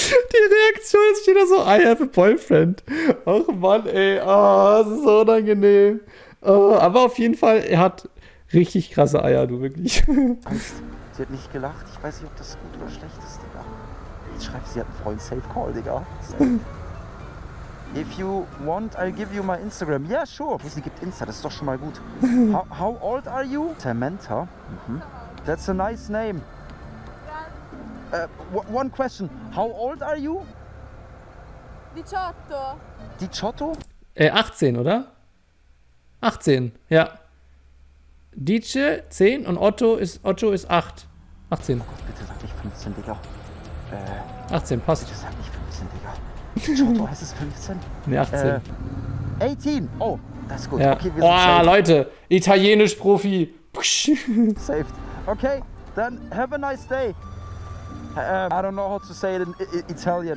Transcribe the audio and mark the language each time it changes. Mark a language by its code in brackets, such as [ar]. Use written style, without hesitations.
[de] Die Reaktion ist wieder so, [en] I have a boyfriend. [de] Och Mann, ey, oh, das ist so unangenehm. Oh, aber auf jeden Fall, er hat richtig krasse Eier, du wirklich. Sie hat nicht gelacht, ich weiß nicht, ob das gut oder schlecht ist, Digga. Jetzt schreibt sie, hat einen Freund, safe call, Digga. [en] If you want, I'll give you my Instagram. Yeah, sure. [de] Sie gibt Insta, das ist doch schon mal gut. [en] How old are you? Samantha. Mhm. That's a nice name. One question. How old are you? 18. [de] 18, oder? 18, ja. Dice 10 und Otto ist 8. 18. Oh Gott, bitte sag nicht 15, Digga. 18, passt. Bitte sag nicht 15, Digga. Otto, heißt es 15? Nee, 18. 18. Oh, das ist gut. Ja. Okay, wir sind safe. Leute, italienisch Profi. [en] Saved. Okay, then have a nice day. I don't know how to say it in Italian.